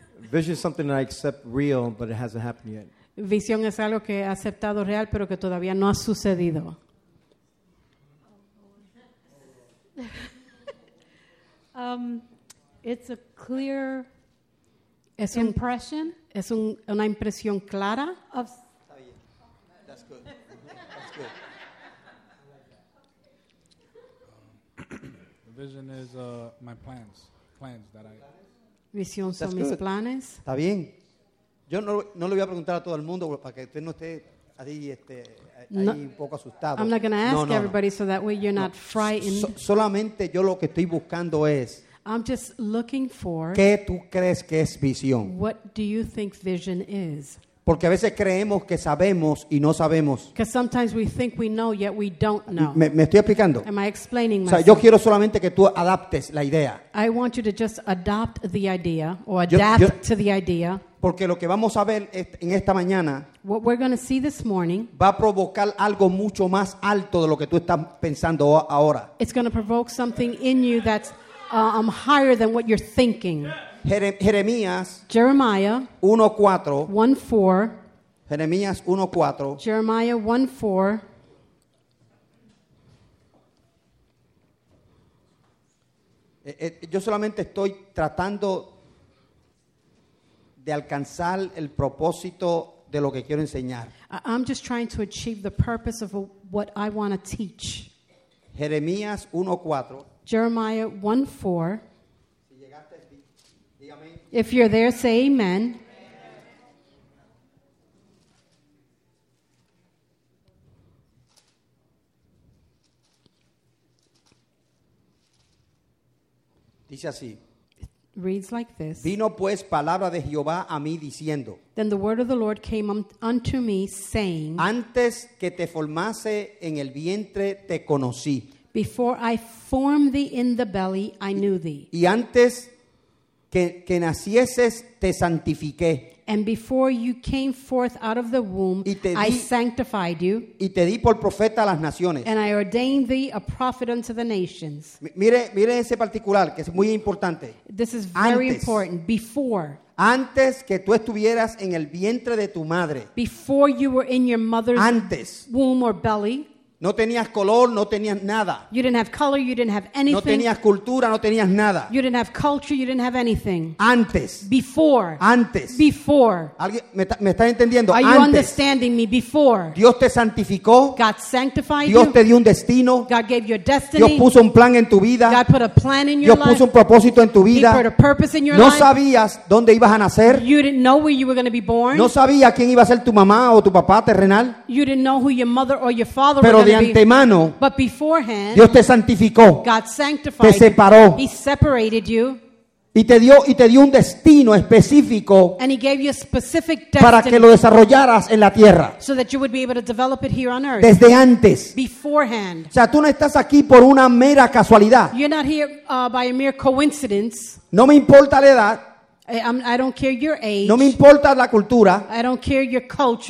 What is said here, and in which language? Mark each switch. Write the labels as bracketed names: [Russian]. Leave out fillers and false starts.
[English] Vision is something that I accept real, but it hasn't happened yet. [Spanish] Visión es algo que he aceptado real, pero que todavía no ha sucedido. [English] It's a clear impression. [Spanish] Es una impresión clara. [English] Of Vision is my plans that I. [Spanish] Visión son mis planes. Está bien. Yo no le voy a preguntar a todo el mundo para que usted no esté ahí ahí un poco asustado. [English] I'm not going to ask everybody so that way you're not frightened. [Spanish] Solamente yo lo que estoy buscando es. [English] I'm just looking for. [Spanish] ¿Qué tú crees que es visión? [English] What do you think vision is? [Spanish] Porque a veces creemos que sabemos y no sabemos. [English] Because sometimes we think we know, yet we don't know. [Spanish] ¿Me estoy explicando? [English] Am I explaining myself? [Spanish] O sea, yo quiero solamente que tú adaptes la idea. [English] I want you to just adopt the idea or adapt to the idea. [Spanish] Porque lo que vamos a ver en esta mañana. [English] What we're going to see this morning. [Spanish] Va a provocar algo mucho más alto de lo que tú estás pensando ahora. [English] It's going to provoke something in you that's higher than what you're thinking. [Spanish] Jeremías [English] Jeremiah 1:4 1:4 [Spanish] Jeremías 1:4 [English] Jeremiah 1:4 [Spanish] Yo solamente estoy tratando de alcanzar el propósito de lo que quiero enseñar. [English] I'm just trying to achieve the purpose of what I want to teach. [Spanish] Jeremías 1:4 [English] Jeremiah 1:4 If you're there, say amen. [Spanish] Dice así. [English] Reads like this. [Spanish] Vino pues palabra de Jehová a mí diciendo. [English] Then the word of the Lord came unto me saying. [Spanish] Antes que te formase en el vientre te conocí. [English] Before I formed thee in the belly, I knew thee. [Spanish] Y antes que nacieses te santifiqué. [English] And before you came forth out of the womb, I sanctified you. [Spanish] Y te di por profeta a las naciones. [English] And I ordained thee a prophet unto the nations. [Spanish] Mire ese particular que es muy importante. [English] This is very important. Before. [Spanish] Antes que tú estuvieras en el vientre de tu madre. [English] Before you were in your mother's [Spanish] antes. [English] Womb or belly. [Spanish] No tenías color, no tenías nada. [English] You didn't have color, you didn't have anything. [Spanish] No tenías cultura, no tenías nada. [English] You didn't have culture, you didn't have anything. [Spanish] Antes. [English] Before. [Spanish] Antes. [English] Before. [Spanish] ¿Alguien me está entendiendo? [English] Are [Spanish] antes. [English] You understanding me? Before. [Spanish] Dios te santificó. [English] God sanctified [Spanish] Dios [English] you. [Spanish] Dios te dio un destino. [English] God gave you a destiny. [Spanish] Dios puso un plan en tu vida. [English] God put a plan in your [Spanish] Dios [English] life. [Spanish] Dios puso un propósito en tu vida. [English] He put a purpose in your [Spanish] no [English] life. [Spanish] No sabías dónde ibas a nacer. [English] You didn't know where you were going to be born. [Spanish] No sabías quién iba a ser tu mamá o tu papá terrenal. [English] You didn't know who your mother or your father [Spanish] Pero de antemano [English] But beforehand, [Spanish] Dios te santificó [English] God sanctified [Spanish] te separó [English] you. He separated you. [Spanish] Y te dio un destino específico [English] And he gave you a specific destiny [Spanish] para que lo desarrollaras en la tierra [English] so that you would be able to develop it here on earth. [Spanish] Desde antes [English] beforehand. [Spanish] O sea, tú no estás aquí por una mera casualidad. [English] You're not here, by a mere coincidence. [Spanish] No me importa la edad. [English] I don't care your age. [Spanish] No me importa la cultura. [English] I don't care your culture.